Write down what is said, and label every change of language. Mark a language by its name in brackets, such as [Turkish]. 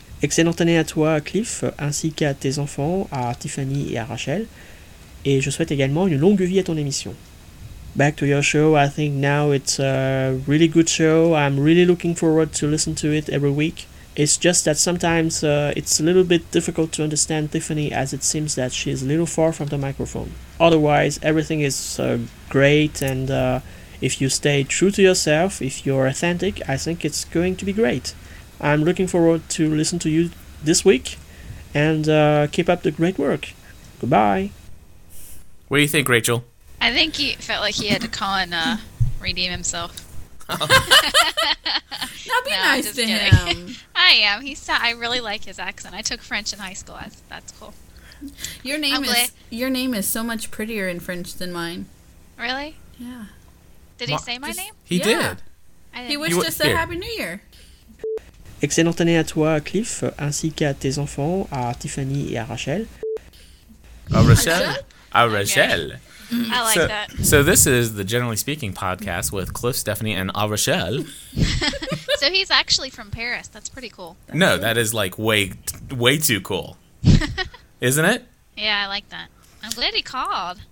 [French] Excellente année à toi, Cliff, ainsi qu'à tes enfants, à Tiffany et à Rachel. Et je souhaite également une longue vie à ton émission. [English] Back to your show, I think now it's a really good show. I'm really looking forward to listen to it every week. It's just that sometimes it's a little bit difficult to understand Tiffany, as it seems that she's a little far from the microphone. Otherwise, everything is great, and if you stay true to yourself, if you're authentic, I think it's going to be great. I'm looking forward to listen to you this week, and keep up the great work. Goodbye. What do you think, Rachel? I think he felt like he had to call and redeem himself. Now be nice to him. I am. I really like his accent. I took French in high school. That's cool. Your name is so much prettier in French than mine. Really? Yeah. Did he say my name? He did. He wished us a happy new year. [French] Excellente année à toi, Cliff, ainsi qu'à tes enfants, à Tiffany et à Rachel. À Rachel. [English] I like that. So this is the Generally Speaking podcast with Cliff, Stephanie, and A Rochelle. So he's actually from Paris. That's pretty cool. That is like way too cool. Isn't it? Yeah, I like that. I'm glad he called.